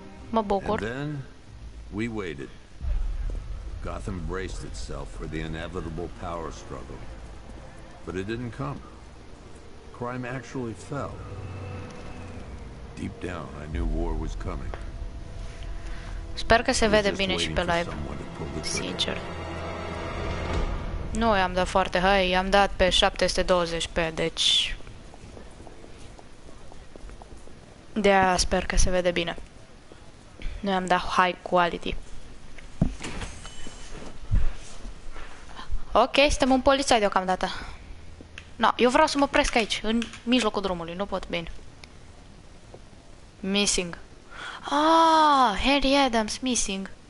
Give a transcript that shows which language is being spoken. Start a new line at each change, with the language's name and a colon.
Romanian: Mă bucur.
English: And then, we waited. Gotham braced itself for the inevitable power struggle. But it didn't come. Crime actually fell. Deep down, I knew war was coming.
Romanian: Sper că se vede bine și pe live. Sincer. Nu i-am dat foarte high, i-am dat pe 720p, deci... De aia sper că se vede bine. Nu i-am dat high quality. Ok, suntem un polițai deocamdată. No, eu vreau să mă opresc aici, în mijlocul drumului, nu pot, bine.
English: Missing. Ah, Henry Adams missing.